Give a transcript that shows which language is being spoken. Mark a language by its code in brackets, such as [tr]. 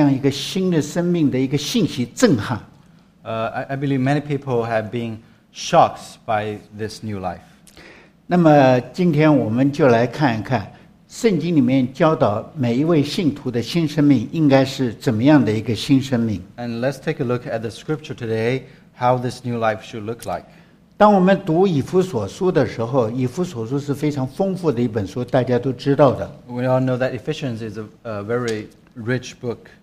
[zh] 那很多的这个人都被这样的一个新生命，就像我很多年前被这样一个新的生命的一个信息震撼。 [en] I believe many people have been shocked by this new life. [zh] 那么今天我们就来看一看，圣经里面教导每一位信徒的新生命应该是怎么样的一个新生命。 [en] And let's take a look at the scripture today, how this new life should look like. [zh] 当我们读以弗所书的时候，以弗所书是非常丰富的一本书，大家都知道的。 [en] We all know that Ephesians is a very rich book.